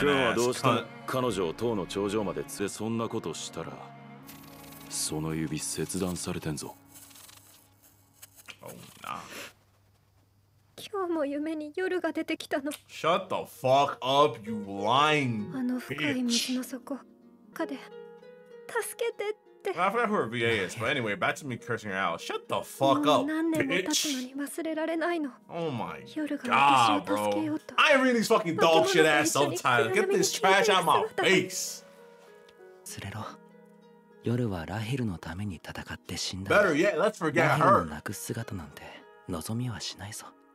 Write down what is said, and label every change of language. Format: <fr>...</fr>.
<ja>君はどうして彼女を塔の頂上まで連れそんなことしたら、その指切断されてんぞ。今日も夢に夜が出てきたの。</ja> <en>Shut the fuck up, you lying bitch.</en> <ja>あの深い水の底かで助けてって。</ja> <en>I forgot who her VA is, but anyway, back to me cursing her out. Shut the fuck up, bitch.</en> <ja>もう何年も経つのに忘れられないの。</ja> <en>Oh my god, bro. I read these fucking dog shit ass subtitles. Get this trash out my face.</en> <ja>忘れろ。夜はラヘルのために戦って死んだ。</ja> <en>Better yet, let's forget her.</en> <ja>ラヘルの泣く姿なんて望みはしないぞ。</ja>